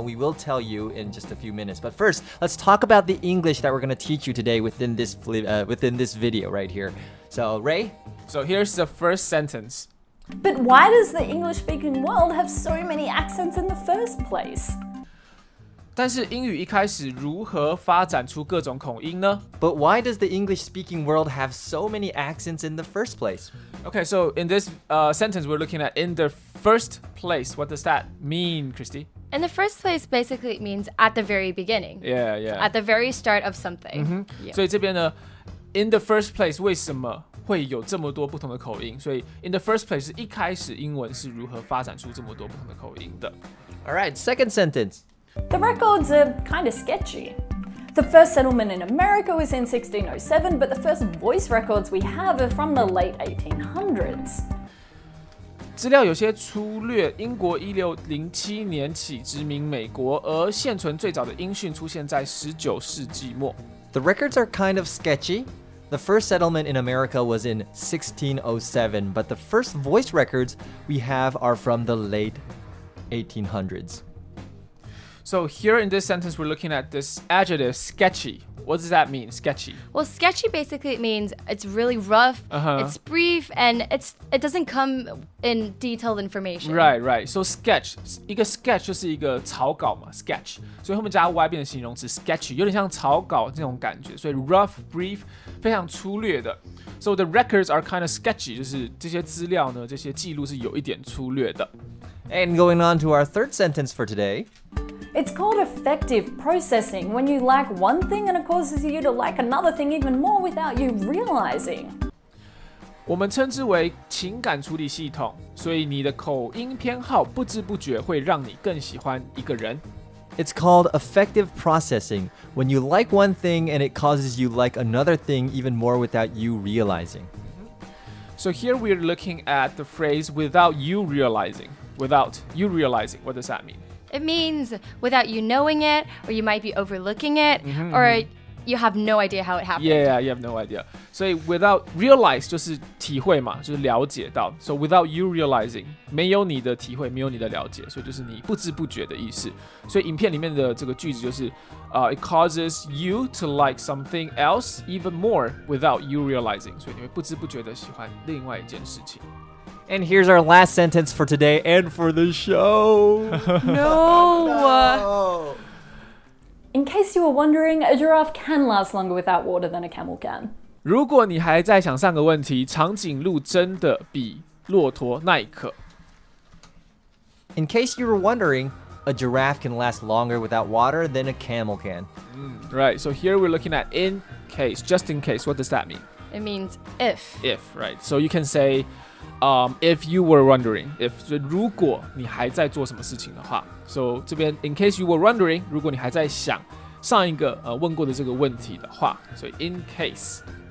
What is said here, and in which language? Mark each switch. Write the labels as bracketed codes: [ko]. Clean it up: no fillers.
[en] We will tell you in just a few minutes. But first, let's talk about the English that we're going to teach you today within this video right here. So, Ray? So here's the first sentence. But why does the English-speaking world have so many accents in the first place? [zh] 但是英语一开始如何发展出各种口音呢? [en] But why does the English-speaking world have so many accents in the first place? Okay, so in this sentence, we're looking at in the first place. What does that mean, Christy? In the first place basically means at the very beginning. Yeah, yeah. At the very start of something. Mm-hmm. Yeah. [zh] 所以这边呢, [en] in the first place, [zh] 为什么会有这么多不同的口音? 所以 [en] in the first place, [zh] 一开始英文是如何发展出这么多不同的口音的? [en] All right, second sentence. The records are kind of sketchy. The first settlement in America was in 1607, but the first voice records we have are from the late 1800s. [zh] 资料有些粗略，英国1607年起殖民美国，而现存最早的音讯出现在19世纪末。 [en] The records are kind of sketchy. The first settlement in America was in 1607, but the first voice records we have are from the late 1800s. So here in this sentence, we're looking at this adjective, sketchy. What does that mean, sketchy? Well, sketchy basically means it's really rough, it's brief, and it doesn't come in detailed information. Right, right. So sketch, [zh] 一个 sketch 就是一个草稿嘛, [en] sketch. [zh] 所以后面加 y 变成形容词 sketchy, 有点像草稿这种感觉。所以 [en] rough, brief, [zh] 非常粗略的。 [en] So the records are kind of sketchy, [zh] 就是这些资料呢,这些记录是有一点粗略的。 [en] And going on to our third sentence for today, It's called effective processing when you lack one thing and it causes you to lack another thing even more without you realizing. [zh] 我们称之为情感处理系统，所以你的口音偏好不知不觉会让你更喜欢一个人。 [en] It's called effective processing when you like one thing and it causes you like another thing even more without you realizing. So here we're looking at the phrase without you realizing. Without you realizing, what does that mean? It means without you knowing it, or you might be overlooking it, or you have no idea how it happened. Yeah, you have no idea. So without realize [zh] 就是体会嘛，就是了解到。 [en] So without you realizing, [zh] 没有你的体会，没有你的了解，所以就是你不知不觉的意思。所以影片里面的这个句子就是 [en] it causes you to like something else even more without you realizing. [zh] 所以你会不知不觉的喜欢另外一件事情。 [en] And here's our last sentence for today and for the show. No. No. In case you were wondering, a giraffe can last longer without water than a camel can. [zh] 如果你还在想上个问题，长颈鹿真的比骆驼耐渴。 [en] In case you were wondering, a giraffe can last longer without water than a camel can. Right. So here we're looking at in case, just in case. What does that mean? It means if. If, right. So you can say,if you were wondering, if [zh] 如果你还在做什么事情的话 [en] ，so 这边 in case you were wondering, [zh] 如果你还在想上一个问过的这个问题的话，所以 [en] in case.